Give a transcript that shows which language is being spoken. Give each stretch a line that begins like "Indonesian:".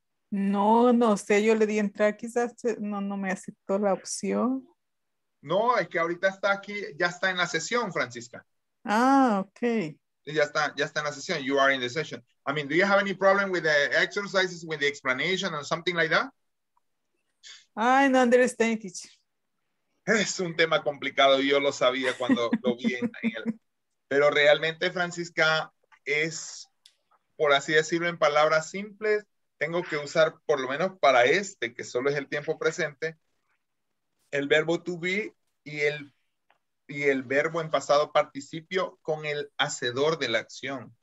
Spanish: No, no sé, yo le di entrar, quizás no me aceptó la opción. No, es que ahorita está aquí, ya está en la sesión, Francisca. Ah, okay. Ya está en la sesión.
English: You are in the session. I mean, do you have any problem with the exercises, with the explanation or something like that? I don't understand, teacher.
Spanish: Es un tema complicado. Yo lo sabía cuando lo vi en Daniel. Pero realmente, Francisca, es, por así decirlo, en palabras simples, tengo que usar, por lo menos para este, que solo es el tiempo presente, el verbo to be y el verbo en pasado participio con el hacedor de la acción.